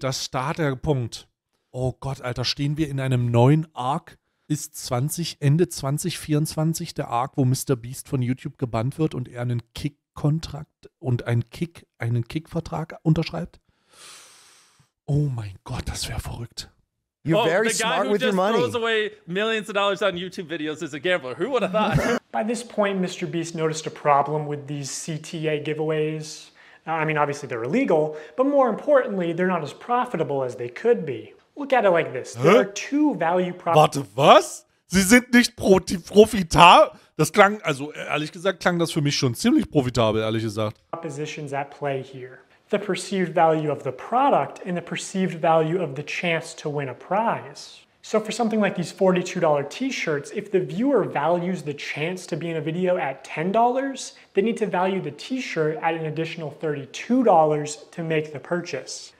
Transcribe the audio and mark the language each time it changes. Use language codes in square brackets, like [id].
[de] Das ist der Punkt. Oh Gott, Alter, stehen wir in einem neuen Arc? Ist Ende 2024 der Arc, wo Mr. Beast von YouTube gebannt wird und er einen Kick-Kontrakt und einen Kick-Vertrag unterschreibt? Oh mein Gott, das wäre verrückt. [en] You're very smart with your money. The guy who just throws away millions of dollars on YouTube videos is a gambler. Who would have thought? By this point, Mr. Beast noticed a problem with these CTA giveaways. I mean, obviously they're illegal, but more importantly, they're not as profitable as they could be. Look at it like this. There are two value propositions. [de] What? Sie sind nicht profitabel. Das klang, also ehrlich gesagt, klang das für mich schon ziemlich profitabel, ehrlich gesagt. [en] Oppositions at play here. The perceived value of the product and the perceived value of the chance to win a prize. So for something like these $42 t-shirts, if the viewer values the chance to be in a video at $10, they need to value the t-shirt at an additional $32 to make the purchase.